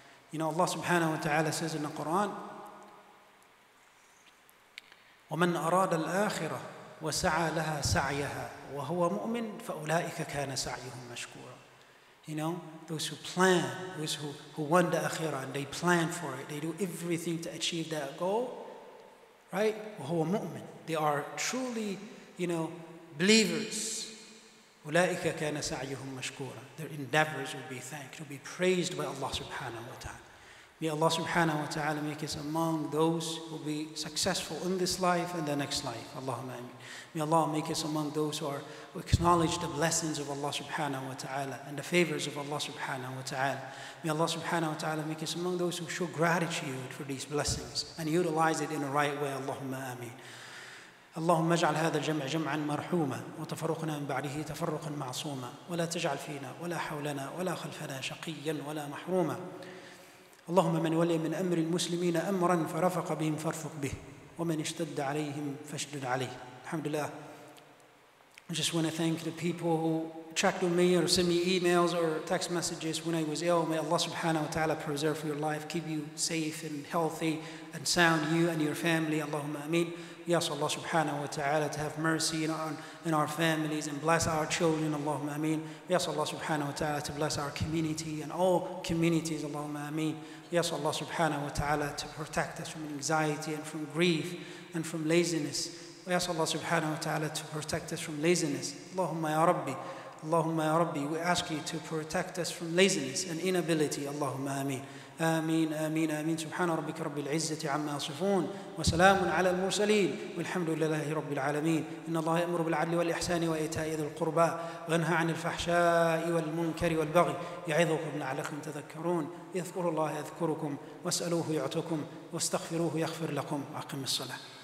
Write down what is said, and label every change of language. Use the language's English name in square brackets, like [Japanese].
[English] You know, Allah subhanahu wa ta'ala says in the Quran, [Arabic] وَمَنْ أَرَادَ الْآخِرَةِ وَسَعَى لَهَا سَعْيَهَا وَهُوَ مُؤْمِنْ فَأُولَٰئِكَ كَانَ سَعْيُهُمْ مَشْكُورًا. [English] You know, those who plan, those who won the akhirah, and they plan for it, they do everything to achieve that goal, right? [Arabic] وَهُوَ مُؤْمِنْ. [English] They are truly, you know, believers. [Arabic] أُولَٰئِكَ كَانَ سَعْيُهُمْ مَشْكُورًا. [English] Their endeavors will be thanked, will be praised by Allah subhanahu wa ta'ala. May Allah subhanahu wa ta'ala make us among those who will be successful in this life and the next life. Allahumma ameen. May Allah make us among those who acknowledge the blessings of Allah subhanahu wa ta'ala and the favors of Allah subhanahu wa ta'ala. May Allah subhanahu wa ta'ala make us among those who show gratitude for these blessings and utilize it in the right way. Allahumma ameen. [Arabic] اللهم اجعل هذا الجمع جمعا مرحوما وتفرقنا من بعده تفرقا معصوما ولا تجعل فينا ولا حولنا ولا خلفنا شقيا ولا محروما. اللهم من ولي من أمر المسلمين أمرا فرفق بهم فارفق به ومن اشتد عليهم فاشدد عليه. الحمد لله. [English] I just want to thank the people who checked on me or sent me emails or text messages when I was ill. May Allah subhanahu wa ta'ala preserve your life, keep you safe and healthy and sound, you and your family. Allahumma ameen. Yes, Allah subhanahu wa ta'ala to have mercy in our families and bless our children. Allahumma ameen. Yes, Allah subhanahu wa ta'ala to bless our community and all communities. Allahumma ameen. Yes, Allah subhanahu wa ta'ala to protect us from anxiety and from grief and from laziness. Yes, Allah subhanahu wa ta'ala to protect us from laziness. Allahumma ya Rabbi. Allahumma ya Rabbi. We ask you to protect us from laziness and inability. [Arabic] Allahumma ameen. آمين آمين آمين. سبحان ربك رب العزة عما يصفون وسلام على المرسلين والحمد لله رب العالمين. إن الله يأمر بالعدل والإحسان وإيتاء ذي القربى وينهى عن الفحشاء والمنكر والبغي يعظكم لعلكم تذكرون. اذكروا الله يذكركم واسألوه يعطكم واستغفروه يغفر لكم. أقم الصلاة.